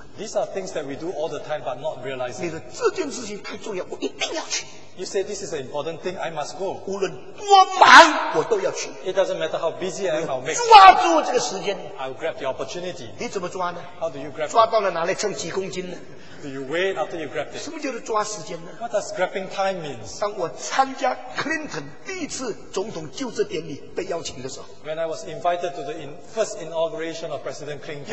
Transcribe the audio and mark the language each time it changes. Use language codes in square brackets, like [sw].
[en] These are things that we do all the time but not realizing. [zh] 你说这件事情太重要，我一定要去。 [en] You say this is an important thing, I must go. [zh] 无论多忙我都要去。 [en] It doesn't matter how busy I am, I'll make. [zh] 抓住这个时间, [en] I'll grab the opportunity. [zh] 你怎么抓呢? [en] How do you grab? [zh] 抓到了拿来称几公斤呢? [en] Do you wait after you grab it? [zh] 什么叫做抓时间呢? [en] What does grabbing time means? [zh] 当我参加 Clinton 第一次总统就职典礼被邀请的时候, [en] when I was invited to the first inauguration of President Clinton,